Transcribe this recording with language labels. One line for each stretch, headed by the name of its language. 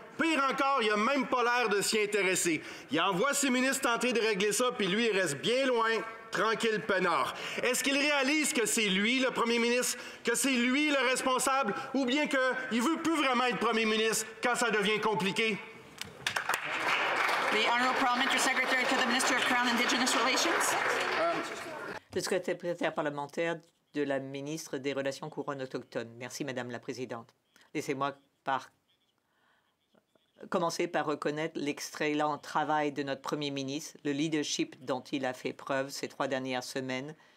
French: Pire encore, il n'a même pas l'air de s'y intéresser. Il envoie ses ministres tenter de régler ça, puis lui, il reste bien loin, tranquille peinard. Est-ce qu'il réalise que c'est lui le premier ministre, que c'est lui le responsable, ou bien qu'il ne veut plus vraiment être premier ministre quand ça devient compliqué?
English: The Honourable Parliamentary Secretary to the Minister of Crown Indigenous Relations.
French: Le secrétaire parlementaire de la ministre des Relations Couronne Autochtones. Merci, Madame la Présidente. Laissez-moi commencer par reconnaître l'excellent travail de notre premier ministre, le leadership dont il a fait preuve ces trois dernières semaines.